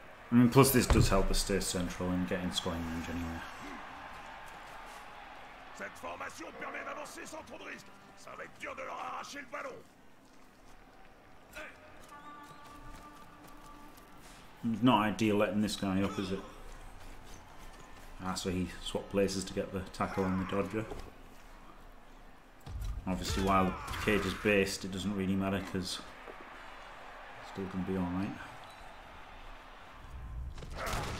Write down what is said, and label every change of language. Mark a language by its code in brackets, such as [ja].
[en] And plus this does help us stay central and get in scoring range anyway. [fr] Cette formation permet d'avancer sans trop de risque. Ça va être dur de leur arracher le ballon. [en] It's not ideal letting this guy up, is it? Ah, so he swapped places to get the tackle on the dodger. Obviously, while the cage is based, it doesn't really matter because it's still going to be alright.